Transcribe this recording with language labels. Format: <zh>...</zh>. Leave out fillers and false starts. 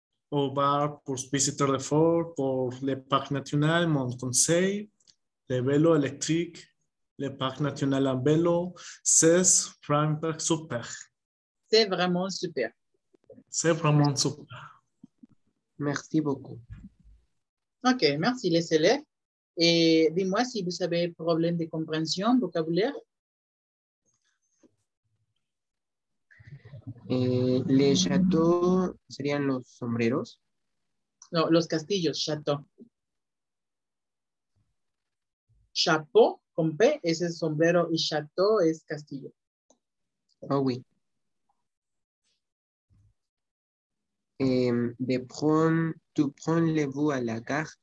<fr>Au bar pour visiter le fort, pour le parc national, mon conseil, le vélo électrique, le parc national en vélo, c'est vraiment super. C'est vraiment super. C'est vraiment super. Merci beaucoup. OK, merci les élèves. Et dis-moi si vous avez problème de compréhension, vocabulaire. Les châteaux</fr> <es>serían los sombreros. No, los castillos, château. Chapeau, con P, es el sombrero, y château es castillo.</es> <fr>Oh, oui. De prendre, tu prends le bus à la gare.</fr>